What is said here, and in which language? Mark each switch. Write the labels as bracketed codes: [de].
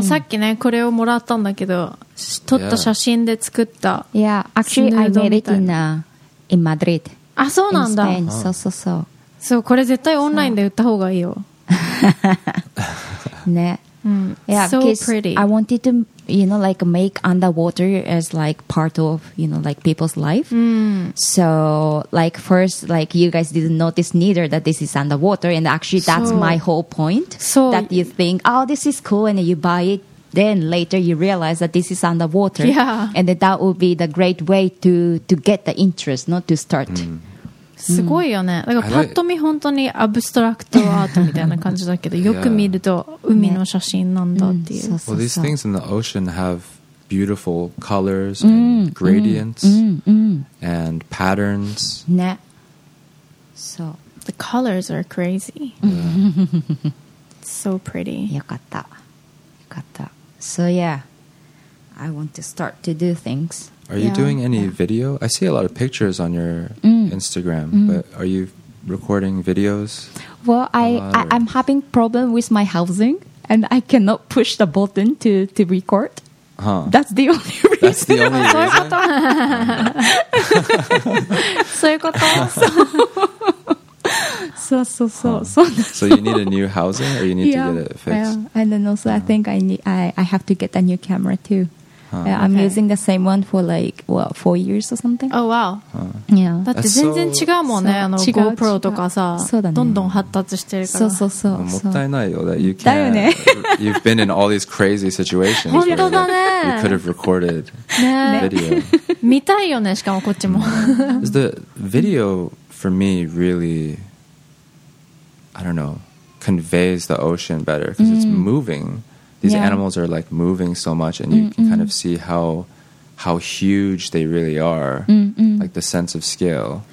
[ja] さっきね、これをもらったんだけど、撮った写真で作った。 [en] Yeah, actually, I made it in Madrid. [ja] あ、そうなんだ。 [en] In Spain. [ja] そうそうそう。そう、これ絶対オンラインで売った方がいいよ。ね。 [en] Yeah, so pretty. I wanted to, you know, like make underwater as like part of, you know, like people's life. Mm. So like first, like you guys didn't notice neither that this is underwater. And actually that's so, my whole point. So that you think, oh, this is cool. And you buy it. Then later you realize that this is underwater. Yeah. And that would be the great way to get the interest, not to start. Mm. [ja] すごいよね。だからパッと見本当にアブストラクトアートみたいな感じだけど、よく見ると海の写真なんだっていう。 [en] Well, these things in the ocean have beautiful colors and gradients and patterns. [ja] ね。そう。 [en] The colors are crazy. Yeah. So pretty. [ja] よかった。よかった。 [en] So yeah, I want to start to do things. Are you doing any video? I see a lot of pictures on your Instagram, but are you recording videos? Well, I'm having problem with my housing, and I cannot push the button to record. Huh. That's the only reason. That's the only reason? [ja] そういうこと?そういうこと? [en] So you need a new housing, or you need to get it fixed? Yeah, and then also I think I have to get a new camera too. Huh. Yeah, I'm using the same one for like, what, 4 years or something? Oh, wow. Huh. Yeah. [ja] だって全然違うもんね。あの GoPro とかさ、どんどん発達してるから。そう。もったいないよ。 [en] That you can't, [ja] だよね。 [en] You've been in all these crazy situations. [ja] 本当だね。 [en] You could have recorded the video. [ja] 見たいよね、しかもこっちも。 [en] Is the video for me really, I don't know, conveys the ocean better because it's moving. These animals are like moving so much, and you can kind of see how huge they really are, like the sense of scale.